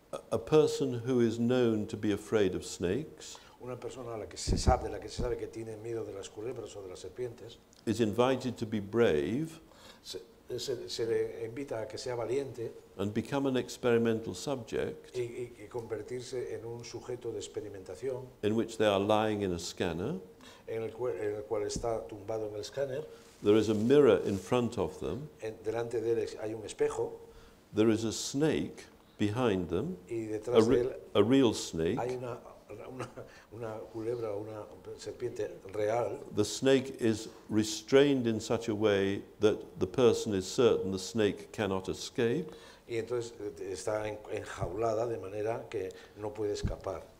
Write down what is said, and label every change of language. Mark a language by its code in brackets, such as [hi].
[en] A person who is known to be afraid of snakes. [es] una persona a la que se sabe, de la que se sabe que tiene miedo de las culebras o de las serpientes, [en] is invited to be brave, [es] se le invita a que sea valiente, [en] and become an experimental subject, [es] y convertirse en un sujeto de experimentación, [en] in which they are lying in a scanner, [es] en el cual está tumbado en el scanner. [en] There is a mirror in front of them. [es] Delante de él hay un espejo. [en] There is a snake behind them. [es] Y detrás de él, [en] a real snake. [es] Hay una culebra, una serpiente real. [en] The snake is restrained in such a way that the person is certain the snake cannot escape. [es] Y entonces está enjaulada de manera que no puede escapar.